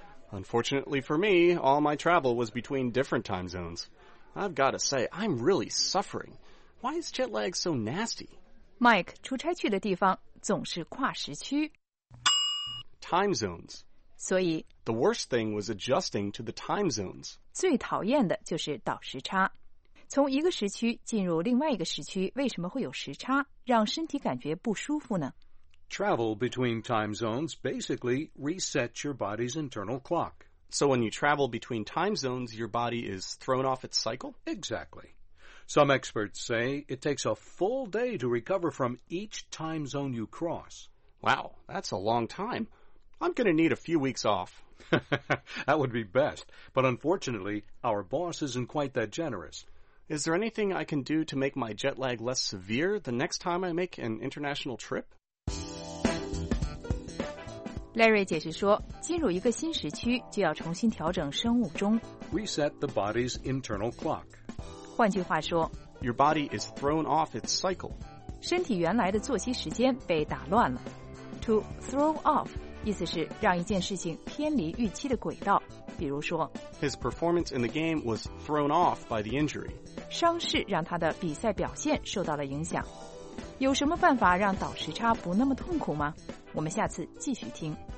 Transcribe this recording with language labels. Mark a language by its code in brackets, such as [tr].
[en] Unfortunately for me, all my travel was between different time zones. I've got to say, I'm really suffering. Why is jet lag so nasty? [zh] Mike, 出差去的地方总是跨时区。 [en] Time zones. [zh] 所以 [en] The worst thing was adjusting to the time zones. [zh] 最讨厌的就是倒时差。从一个时区进入另外一个时区，为什么会有时差，让身体感觉不舒服呢？ [en] Travel between time zones basically resets your body's internal clock. So when you travel between time zones, your body is thrown off its cycle? Exactly. Some experts say it takes a full day to recover from each time zone you cross. Wow, that's a long time. I'm going to need a few weeks off. That would be best, but unfortunately, our boss isn't quite that generous. Is there anything I can do to make my jet lag less severe the next time I make an international trip? [zh] Larry 解释说，进入一个新时区就要重新调整生物钟。 [en] Reset the body's internal clock. [zh] 换句话说 [en] ，Your body is thrown off its cycle. [zh] 身体原来的作息时间被打乱了。 To throw off 意思是让一件事情偏离预期的轨道。比如说 [en] ，His performance in the game was thrown off by the injury. [zh] 伤势让他的比赛表现受到了影响。有什么办法让倒时差不那么痛苦吗？我们下次继续听。